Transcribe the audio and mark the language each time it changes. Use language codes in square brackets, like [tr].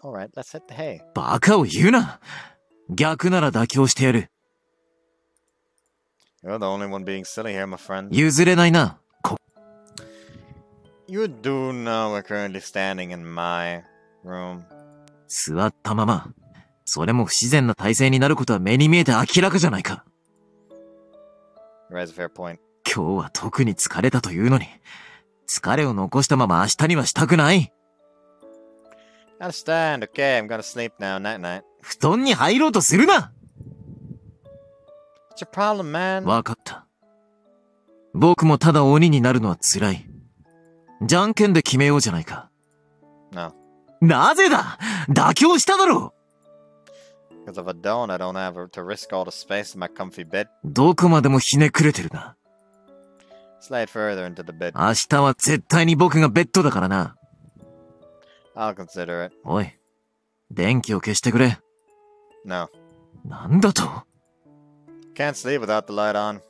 [en] Alright, let's hit the hay. [ja] バカを言うな。逆なら妥協してやる。 [en] You're the only one being silly here, my friend. [ja] 譲れないな。 [en] You do know we're currently standing in my room. [ja] 座ったまま。それも不自然な体勢になることは目に見えて明らかじゃないか。 [en] Raise a fair point. [ja] 今日は特に疲れたというのに、疲れを残したまま明日にはしたくない。 [en] Understand, okay, I'm gonna sleep now, night night. [ja] 布団に入ろうとするな! [en] What's your problem, man? [ja] わかった。僕もただ鬼になるのは辛い。じゃんけんで決めようじゃないか。 [en] No. [ja] なぜだ？妥協しただろう。 [en] Because if I don't, I don't have to risk all the space in my comfy bed. [ja] どこまでもひねくれてるな。 [en] Slide further into the bed. [ja] 明日は絶対に僕がベッドだからな。 [en] I'll consider it. [ja] おい、電気を消してくれ。 [en] No. [ja] なんだと？ [en] Can't sleep without the light on.